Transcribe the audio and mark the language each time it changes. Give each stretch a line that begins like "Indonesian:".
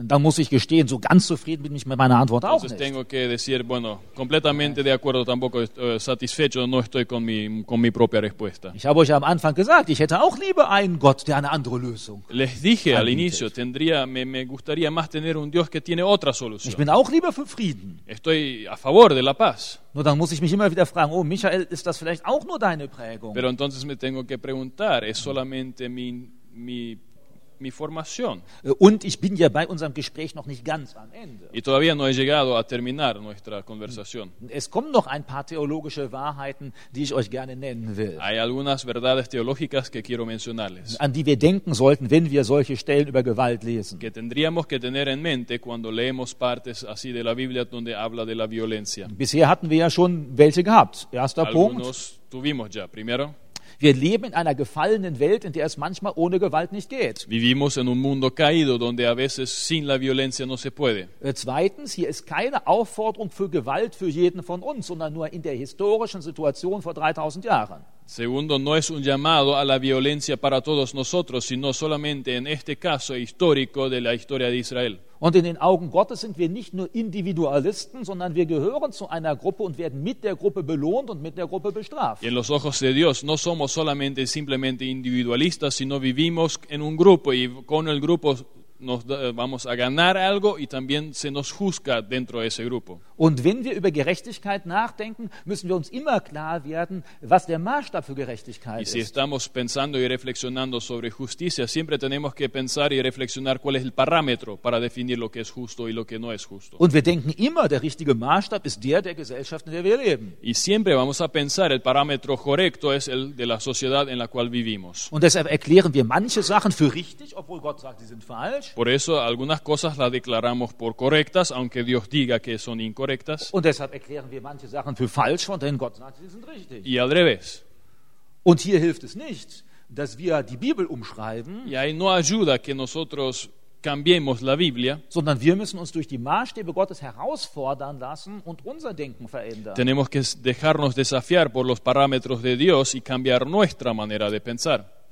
German: dann muss ich gestehen, so ganz zufrieden bin ich mit meiner Antwort auch nicht.
Spanish: Tengo que decir, bueno, completamente de acuerdo tampoco satisfecho no estoy con mi propia respuesta.
German: Ich habe euch am Anfang gesagt, ich hätte auch lieber einen Gott, der eine andere Lösung.
Spanish: Les dije al inicio, me gustaría más tener un Dios que tiene otra solución.
German: Ich bin auch lieber für Frieden.
Spanish: Estoy a favor de la paz.
German: Nur dann muss ich mich immer wieder fragen, oh Michael, ist das vielleicht auch nur deine Prägung?
Spanish: Pero entonces me tengo que preguntar, es solamente mi formación.
German: Und ich bin ja bei unserem Gespräch noch nicht ganz am Ende.
Spanish: Y todavía no he llegado a terminar nuestra conversación.
German: Es kommen noch ein paar theologische Wahrheiten, die ich euch gerne nennen will.
Spanish: Hay algunas verdades teológicas que quiero mencionarles.
German: An die wir denken sollten, wenn wir solche Stellen über Gewalt lesen.
Spanish: Que tendríamos que tener en mente cuando leemos partes así de la Biblia donde habla de la violencia.
German: Bisher hatten wir ja schon welche gehabt. Erster
Spanish: algunos
German: Punkt.
Spanish: Tuvimos ya, primero.
German: Wir leben in einer gefallenen Welt, in der es manchmal ohne Gewalt nicht geht.
Spanish: Vivimos en un mundo caído donde a veces sin la violencia no se puede.
German: Zweitens, hier ist keine Aufforderung für Gewalt für jeden von uns, sondern nur in der historischen Situation vor 3000 Jahren.
Spanish: Segundo, no es un llamado a la violencia para todos nosotros, sino solamente en este caso histórico de la historia de Israel.
German: Und in den Augen Gottes sind wir nicht nur Individualisten, sondern wir gehören zu einer Gruppe und werden mit der Gruppe belohnt und mit der Gruppe bestraft.
Spanish: En los ojos de Dios no somos solamente simplemente individualistas, sino vivimos en un grupo y con el grupo nos vamos a ganar algo y también se nos juzga dentro de ese grupo.
German: Und wenn wir über Gerechtigkeit nachdenken, müssen wir uns immer klar werden, was der Maßstab für Gerechtigkeit ist.
Spanish: Y si estamos pensando y reflexionando sobre justicia, siempre tenemos que pensar y reflexionar cuál es el parámetro para definir lo que es justo y lo que no es justo.
German: Und wir denken immer, der richtige Maßstab ist der Gesellschaft, in der wir leben.
Spanish: Y siempre vamos a pensar, el parámetro correcto es el de la sociedad en la cual vivimos.
German: Und deshalb erklären wir manche Sachen für richtig, obwohl Gott sagt, sie sind falsch.
Spanish: Por eso algunas cosas las declaramos por correctas, aunque Dios diga que son incorrectas.
German: Und deshalb erklären wir manche Sachen für falsch, von denen Gott sagt, sie sind richtig.
Spanish: Y al revés.
German: Und hier hilft es nicht, dass wir die Bibel umschreiben.
Spanish: Y ahí no ayuda que nosotros cambiemos la Biblia,
German: sondern wir müssen uns durch die Maßstäbe Gottes herausfordern lassen und unser Denken verändern.
Spanish: Tenemos que dejarnos desafiar por los parámetros de Dios y cambiar nuestra manera de pensar.